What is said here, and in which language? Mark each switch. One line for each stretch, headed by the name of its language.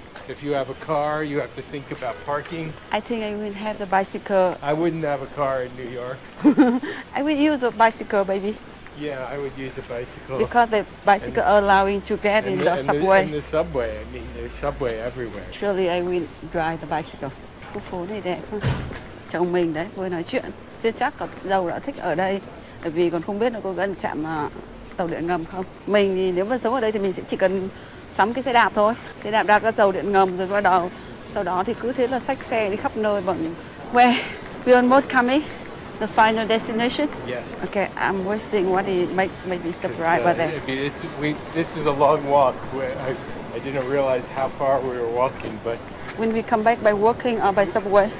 English: If you have a car, you have to think about parking. I think I would have the bicycle. I wouldn't have a car in New York. I would use the bicycle, baby. Yeah, I would use a bicycle. Because the bicycle allowing to get in the subway. In the subway, I mean, there's subway everywhere. Surely I will drive the bicycle.
Vietnamese: Khu phố này đẹp. Chồng mình đấy, vừa nói chuyện. Chưa chắc còn dâu đã thích ở đây. Bởi vì còn không biết nó có gần trạm tàu điện ngầm không. Mình thì nếu mà sống ở đây thì mình sẽ chỉ cần sắm cái xe đạp thôi. Xe đạp đạp ra tàu điện ngầm rồi bắt đầu. Sau đó thì cứ thế là xách xe đi khắp nơi vẫn.
English: Where? We almost coming? The final destination? Yes. Okay, I'm wasting what it might be surprised by there. This is a long walk. I didn't realize how far we were walking, but... When we come back by walking or by subway?